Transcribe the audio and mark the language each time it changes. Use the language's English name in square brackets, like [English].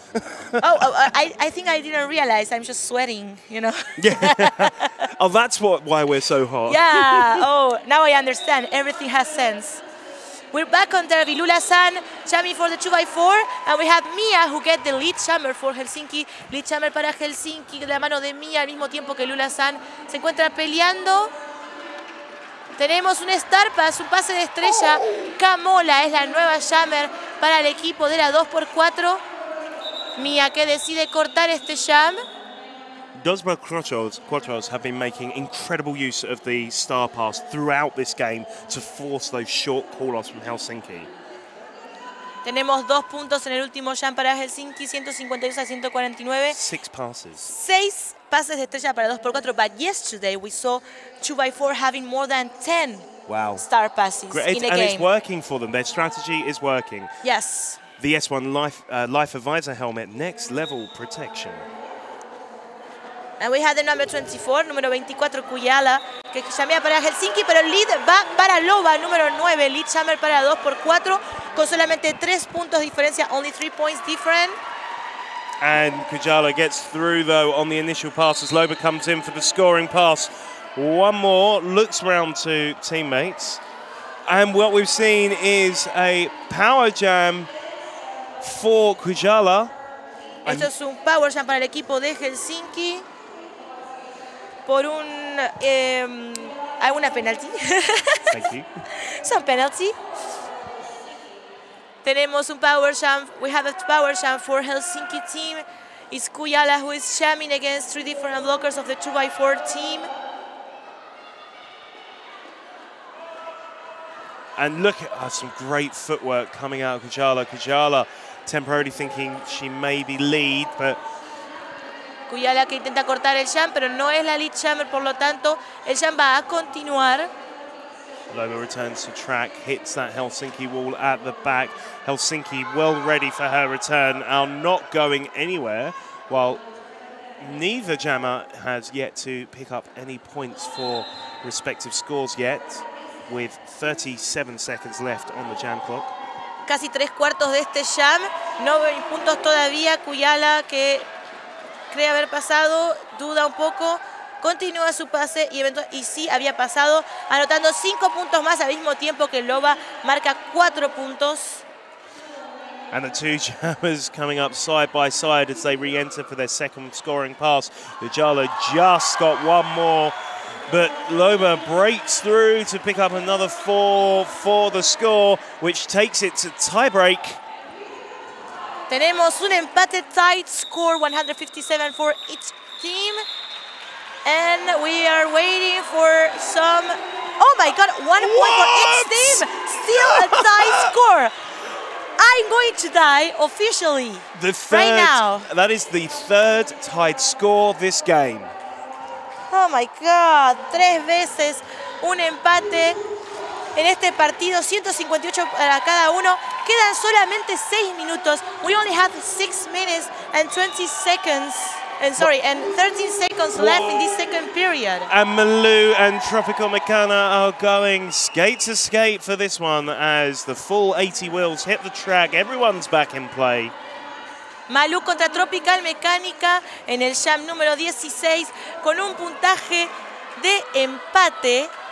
[English] I think I didn't realize. I'm just sweating, you know. Yeah. Oh, that's why we're so hot. Yeah. Oh, now I understand. Everything has sense. We're back on Derby. Lula-san jamming for the 2x4. And we have Mia, who get the lead jammer for Helsinki. [Spanish] Lead jammer para Helsinki. La mano de Mia al mismo tiempo que Lula-san se encuentra peleando. Tenemos un Star Pass, un pase de estrella. Camola es la nueva jammer para el equipo de la 2x4. Mia, que decide cortar este jam. [English] Dos Becrochos have been making incredible use of the Star Pass throughout this game to force those short call-offs from Helsinki. [Spanish] Tenemos 2 puntos en el último jam para Helsinki, 152 a 149. [English] 6 passes. [Spanish] 6 pases de estrella para 2x4, [English] but yesterday we saw 2x4 having more than 10 wow star passes great in a and game. And it's working for them. Their strategy is working. Yes. The S1 Life Advisor helmet, next level protection. And we have the number 24, [Spanish] número 24, Cuyala, que llamea para Helsinki, pero el lead va para Loba, número 9, lead jammer para 2x4, con solamente 3 puntos de diferencia, [English] only 3 points different. And Kujala gets through, though, on the initial pass as Loba comes in for the scoring pass. One more, looks around to teammates. And what we've seen is a power jam for Kujala. [Spanish] Esto es un power jam para el equipo de Helsinki. Por un alguna penalti. [English] Thank you. Some penalty. [Spanish] Tenemos un power jam. [English] We have a power jam for Helsinki team. It's Kujala who is jamming against 3 different blockers of the 2x4 team. And look at some great footwork coming out of Kujala. Kujala temporarily thinking she may be lead, but [Spanish] Cuyala que intenta cortar el jam, pero no es la lead jammer, por lo tanto, el jam va a continuar. [English] Loba returns to track, hits that Helsinki wall at the back. Helsinki well ready for her return, are not going anywhere, while neither jammer has yet to pick up any points for respective scores yet, with 37 seconds left on the jam clock. [Spanish] Casi 3 cuartos de este jam. No veis puntos todavía. Cuyala, que cree haber pasado, duda un poco. Continúa su pase y sí había pasado, anotando 5 puntos más al mismo tiempo que Loba marca 4 puntos. [English] And the two jammers coming up side by side as they re-enter for their second scoring pass. Ujala just got one more, but Loba breaks through to pick up another 4 for the score, which takes it to tie break. [Spanish] Tenemos un empate, [English] tight score, 157 for each team. And we are waiting for some... Oh my God, 1 point for each team! Still a tie score! I'm going to die officially, the third, right now. That is the third tied score this game. Oh my God, [Spanish] 3 veces un empate en este partido, 158 para cada uno. Quedan solamente 6 minutos. [English] We only have 6 minutes and 20 seconds. And sorry, and 13 seconds left in this second period. And Malou and Tropical Mekana are going skate to skate for this one as the full 80 wheels hit the track. Everyone's back in play. [Spanish] Malou contra Tropical Mecánica en el jam número 16 con un puntaje de empate.